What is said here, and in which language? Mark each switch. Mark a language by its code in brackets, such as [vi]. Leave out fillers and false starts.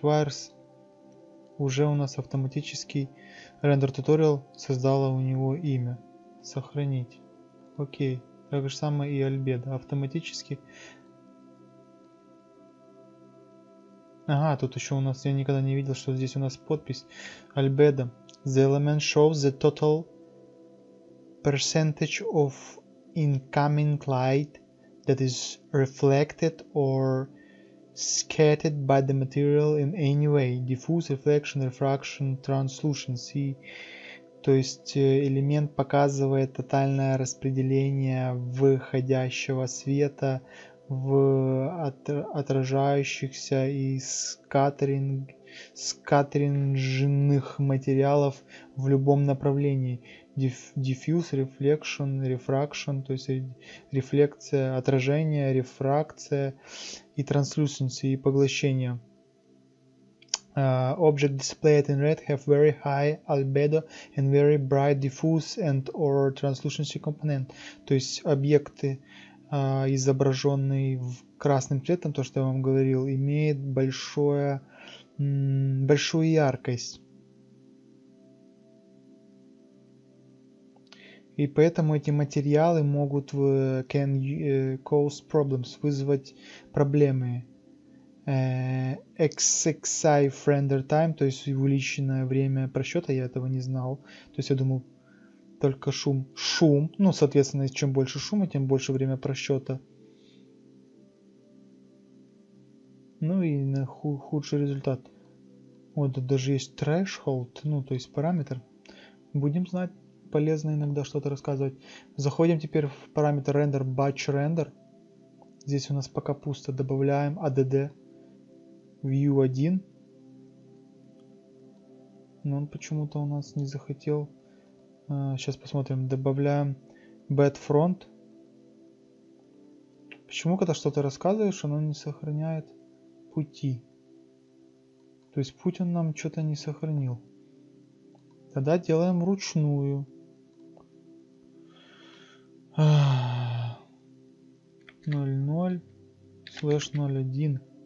[ru] Wires уже у нас автоматический Render Tutorial создало у него имя. Сохранить. Окей. Так же самое и Albedo. Автоматически. Ага, тут еще у нас, я никогда не видел, что здесь у нас подпись. Albedo. [en] The element shows the total percentage of incoming light that is reflected or scattered by the material in any way. Diffuse, reflection, refraction, translucency. [ru] То есть элемент показывает тотальное распределение выходящего света в отражающихся и скатеринженных материалов в любом направлении. [en] Diffuse, reflection, refraction, [ru] то есть рефлекция, отражение, рефракция и translucency, и поглощение. [en] Object displayed in red have very high albedo and very bright diffuse and or translucency component. [ru] То есть объекты, изображенные красным цветом, то, что я вам говорил, имеют большую яркость. И поэтому эти материалы могут [en] cause problems, [ru] вызвать проблемы. [en] XXIF render time, [ru] то есть увеличенное время просчета, я этого не знал. То есть я думал, только шум. Шум, ну, соответственно, чем больше шума, тем больше время просчета. Ну и на худший результат. Вот, даже есть threshold, ну, то есть параметр. Будем знать, полезно иногда что-то рассказывать. Заходим теперь в параметр render, batch render. Здесь у нас пока пусто. Добавляем add. [en] View 1. [ru] Но он почему-то у нас не захотел. Сейчас посмотрим. Добавляем Bed Front. Почему, когда что-то рассказываешь, оно не сохраняет пути? То есть путь он нам что-то не сохранил. Тогда делаем вручную. /0/01.